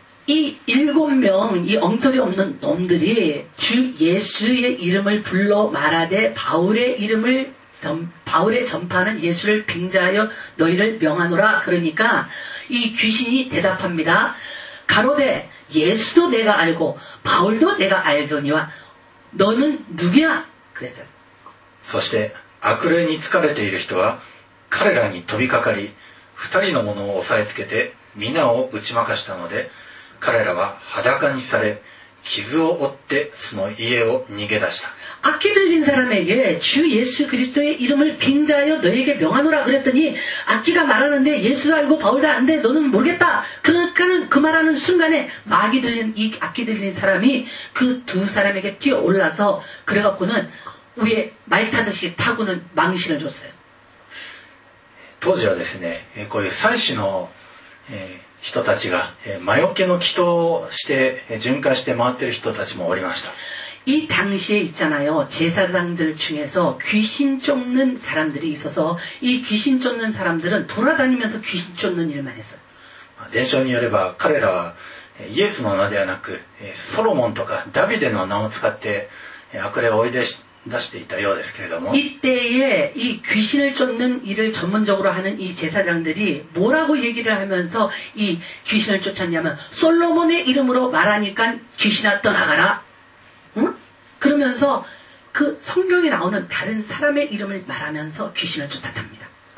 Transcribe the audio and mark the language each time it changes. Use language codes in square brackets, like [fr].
[ko] 이 일곱 명, 이 엉터리 없는 놈들이 주 예수의 이름을 불러 말하되 바울의 전파하는 예수를 빙자하여 너희를 명하노라. 그러니까 이 귀신이 대답합니다. 가로되 예수도 내가 알고 바울도 내가 알더니와 너는 누구야? 그랬어요. [ja] そして悪霊に疲れている人は彼らに飛びかかり二人のものを押さえつけて皆を打ち負かしたので 彼らは 裸に され 傷を負って その家を逃げ出した。 [ko] 악귀 들린 사람에게 주 예수 그리스도의 이름을 빙자하여 너에게 명하노라 그랬더니 악귀가 말하는데 예수도 알고 바울도 안돼 너는 모르겠다. 그러니까는 그 말하는 순간에 마귀 들린 이 악귀 들린 사람이 그 두 사람에게 뛰어 올라서 그래갖고는 위에 말 타듯이 타고는 망신을 줬어요. [ja] 当時はですね, こういう祭司の人たちが 魔除けの祈祷をして巡回して回ってる人たちもおりました。 [ko] 이 당시에 있잖아요. 제사장들 중에서 귀신 쫓는 사람들이 있어서 이 귀신 쫓는 사람들은 돌아다니면서 귀신 쫓는 일만 했어요. [ja] 伝承によればは彼らはイエスの名ではなくソロモンとかダビデの名を使って悪霊を追い出していたようですけれども [ko] 이때에 이 귀신을 쫓는 일을 전문적으로 하는 이 제사장들이 뭐라고 얘기를 하면서 이 귀신을 쫓았냐면 솔로몬의 이름으로 말하니까 귀신아 떠나가라. 응? 그러면서 그 성경에 나오는 다른 사람의 이름을 말하면서 귀신을 쫓았답니다.